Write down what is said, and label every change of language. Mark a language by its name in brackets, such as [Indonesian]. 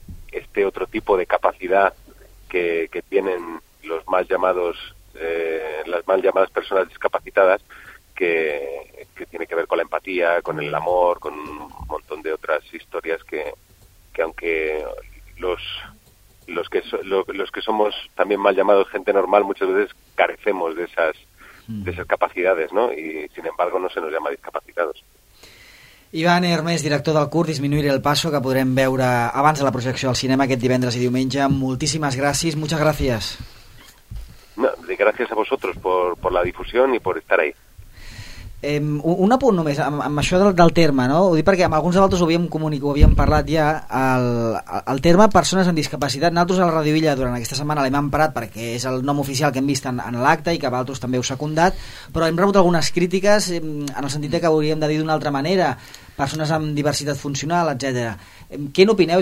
[Spanish] este otro tipo de capacidad que tienen los mal llamados las mal llamadas personas discapacitadas, que tiene que ver con la empatía, con el amor, con un montón de otras historias que aunque los que somos también mal llamados gente normal muchas veces carecemos de esas capacidades, ¿no? Y sin embargo no se nos llama discapacitados. [Catalan] Ivan Hermes, director del curt Disminuir el paso, que podrem veure abans de la projecció al cinema aquest divendres i diumenge. Moltíssimes gràcies, [Spanish] muchas gracias. No, gracias a vosotros por la difusión y por estar ahí. [Catalan] Un apunt només, amb això del terme, no? Ho dic perquè amb alguns de vosaltres ho havíem parlat ja, el terme persones amb discapacitat. Nosaltres a la Ràdio Illa durant aquesta setmana l'hem emprat perquè és el nom oficial que hem vist en l'acte i que vosaltres també heu secundat, però hem rebut algunes crítiques en el sentit que hauríem de dir d'una altra manera, persones amb diversitat funcional, etc. Què n'opineu?